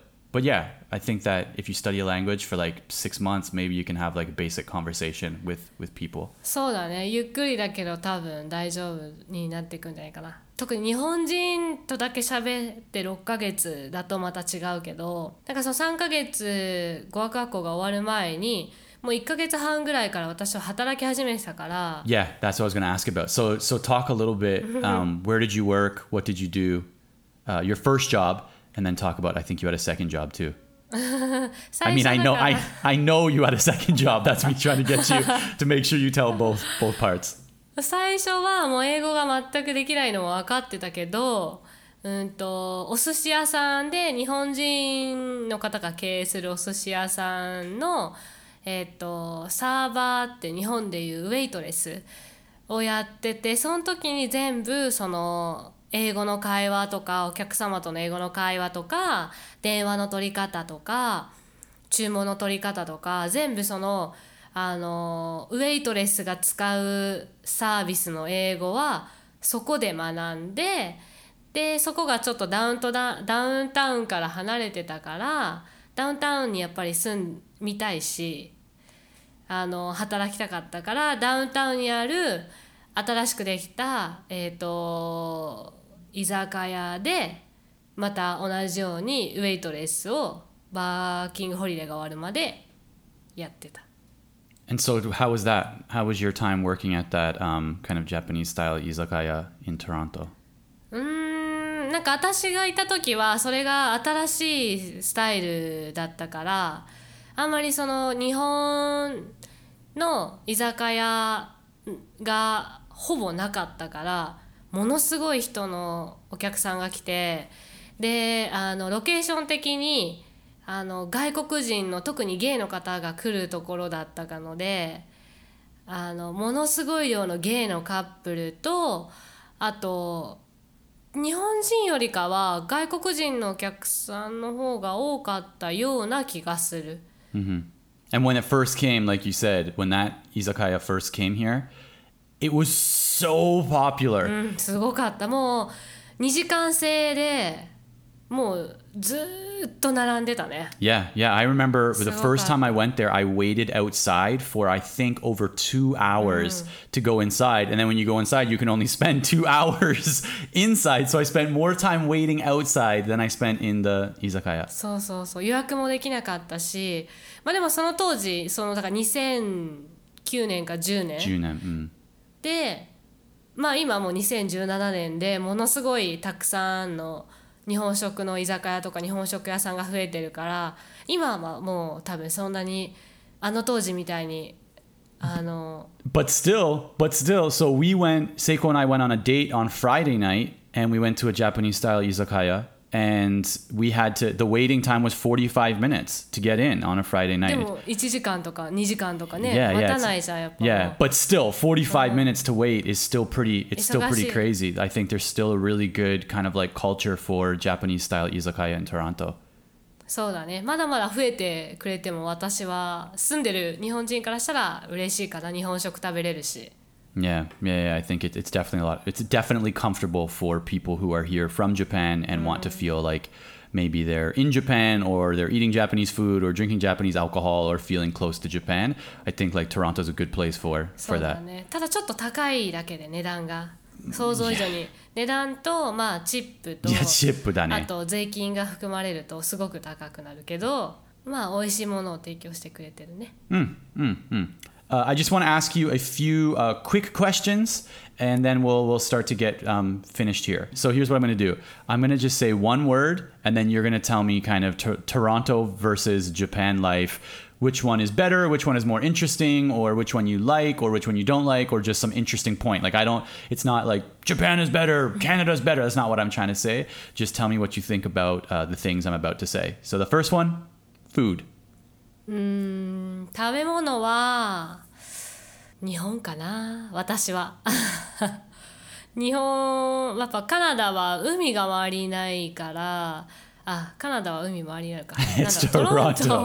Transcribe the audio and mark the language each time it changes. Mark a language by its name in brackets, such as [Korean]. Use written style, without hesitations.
[English] But yeah, I think that if you study a language for like 6 months, maybe you can have like a basic conversation with people. [Japanese] そうだね。ゆっくりだけど多分大丈夫になっていくんじゃないかな。特に日本人とだけ喋って6ヶ月だとまた違うけど、なんかその3ヶ月語学学校が終わる前に、もう1ヶ月半ぐらいから私は働き始めてたから。 [English] Yeah, that's what I was going to ask about. So talk a little bit, where did you work? What did you do? Your first job, and then talk about, I think you had a second job too. I mean, I know you had a second job. That's me trying to get you to make sure you tell both parts. [Japanese] 最初はもう英語が全くできないのも分かってたけど、お寿司屋さんで日本人の方が経営するお寿司屋さんの、サーバーって日本でいうウェイトレスをやってて、その時に全部その英語の会話とかお客様との英語の会話とか電話の取り方とか注文の取り方とか全部そのウェイトレスが使うサービスの英語はそこで学んで、でそこがちょっとダウンタウンから離れてたから、ダウンタウンにやっぱり住みたいし働きたかったから、ダウンタウンにある新しくできた居酒屋でまた同じようにウェイトレスをワーキングホリデーが終わるまでやってた。 [English] And so how was that? How was your time working at that kind of Japanese style izakaya in Toronto? [Japanese] なんか私がいた時はそれが新しいスタイルだったから、あんまりその日本の居酒屋がほぼなかったから、ものすごい人のお客さんが来て、でロケーション的に外国人の特にゲイの方が来るところだったので、ものすごい量のゲイのカップルと、あと日本人よりかは外国人のお客さんの方が多かったような気がする。 Mm-hmm. [English] And when it first came, like you said, when that izakaya first came here, it was so popular. [Japanese] すごかった。もう2時間制でもうずーっと並んでたね。 [English] Yeah, yeah. I remember the first time I went there, I waited outside for I think over 2 hours to go inside. And then when you go inside, you can only spend 2 hours inside. So I spent more time waiting outside than I spent in the izakaya. [Japanese] そうそうそう。予約もできなかったし、まあでもその当時、そのだから2009年か10年。 10年。うん、で、まあ今もう2017年でものすごいたくさんの日本食の居酒屋とか日本食屋さんが増えてるから、今はもう多分そんなにあの当時みたいに [English] But still, so we went, Seiko and I went on a date on Friday night and we went to a Japanese style 居酒屋 and we had to, the waiting time was 45 minutes to get in on a Friday night. [Japanese] でも1時間とか2時間とかね、待たないじゃん、やっぱ。 [English] Yeah, but still, 45 minutes to wait is still pretty, it's still pretty crazy. I think there's still a really good kind of like culture for Japanese style 居酒屋 in Toronto. [Japanese] そうだね。まだまだ増えてくれても私は住んでる日本人からしたら嬉しいかな。日本食食べれるし。 [English] Yeah, I think it's definitely a lot. It's definitely comfortable for people who are here from Japan and want to feel like maybe they're in Japan or they're eating Japanese food or drinking Japanese alcohol or feeling close to Japan. I think like Toronto's a good place for that. [Japanese] ただちょっと高いだけで値段が想像以上に、yeah. 値段とまあチップと、 yeah, チップだね、あと税金が含まれるとすごく高くなるけど、まあ美味しいものを提供してくれてるね。 [English] I just want to ask you a few quick questions, and then we'll start to get finished here. So here's what I'm going to do. I'm going to just say one word, and then you're going to tell me kind of Toronto versus Japan life, which one is better, which one is more interesting, or which one you like, or which one you don't like, or just some interesting point. Like, it's not like Japan is better, Canada is better. That's not what I'm trying to say. Just tell me what you think about the things I'm about to say. So the first one, food. [Japanese] 食べ物は日本かな、私は日本、やっぱカナダは海が周りないから、あ、カナダは海周りになるか、トロント